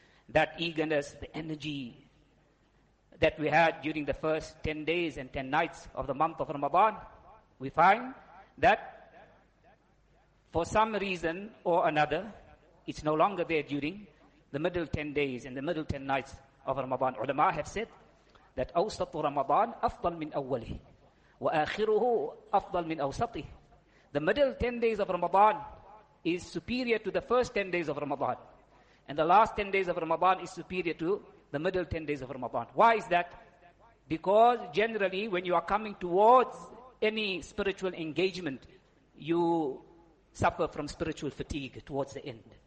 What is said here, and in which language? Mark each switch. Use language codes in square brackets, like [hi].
[en] That eagerness, the energy that we had during the first 10 days and 10 nights of the month of Ramadan, we find that for some reason or another, it's no longer there during the middle 10 days and the middle 10 nights of Ramadan. Ulama have said that [ar] أَوْسَطُ رَمَضَانَ أَفْضَلْ مِنْ أَوَّلِهِ وَآخِرُهُ أَفْضَلْ مِنْ أَوْسَطِهِ. [en] The middle 10 days of Ramadan is superior to the first 10 days of Ramadan. And the last 10 days of Ramadan is superior to the middle 10 days of Ramadan. Why is that? Because generally when you are coming towards any spiritual engagement, you suffer from spiritual fatigue towards the end.